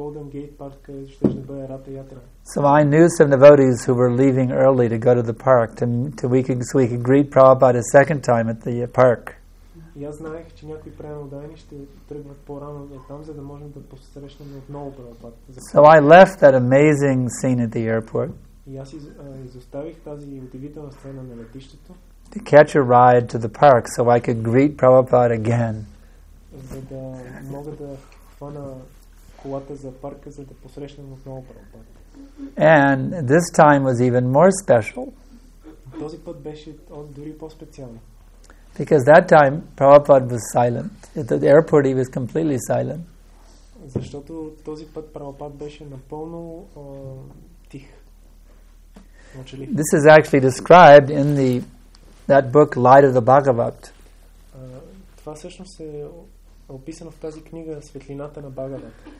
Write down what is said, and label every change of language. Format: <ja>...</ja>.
<en>So I knew some devotees who were leaving early to go to the park so we could greet Prabhupada a second time at the park.</en> <bg>И аз знаех, че някои преданодайни ще тръгват по-рано от там, за да можем да посрещнем отново Прабхупад.</bg> <en>So I left that amazing scene at the airport.</en> <bg>И аз изоставих тази удивителна сцена на летището.</bg> <en>To catch a ride to the park so I could greet Prabhupad again.</en> <bg>За да мога да хвана колата за парка, за да посрещнем отново Прабхупад.</bg> <en>And this time was even more special.</en> <bg>Този път беше дори по-специален.</bg> <en>Because that time Prabhupada was silent. At the airport he was completely silent.</en> <bg>Защото този път Прабхупад беше напълно тих.</bg> <en>This is actually described in that book Light of the Bhagavat.</en> <bg>Това всъщност е описано в тази книга Светлината на Бхагават.</bg>